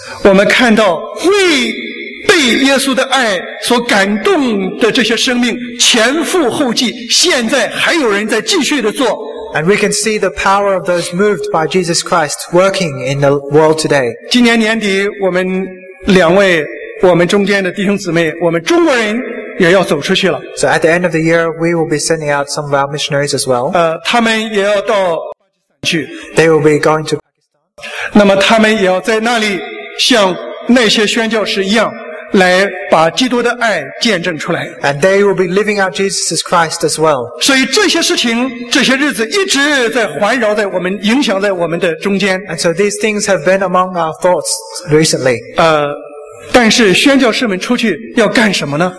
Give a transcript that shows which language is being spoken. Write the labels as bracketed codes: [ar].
[zh] 我们看到会被耶稣的爱所感动的这些生命前赴后继现在还有人在继续的做 [en] And we can see the power of those moved by Jesus Christ working in the world today [zh] 今年年底我们两位我们中间的弟兄姊妹我们中国人也要走出去了 [en] So at the end of the year we will be sending out some of our missionaries as well [zh] 他们也要到去 [en] They will be going to Pakistan [zh] 那么他们也要在那里像那些宣教士一样来把基督的爱见证出来 [en] And they will be living out Jesus Christ as well [zh] 所以这些事情这些日子一直在环绕在我们影响在我们的中间 [en] And so these things have been among our thoughts recently [zh] 但是宣教士们出去要干什么呢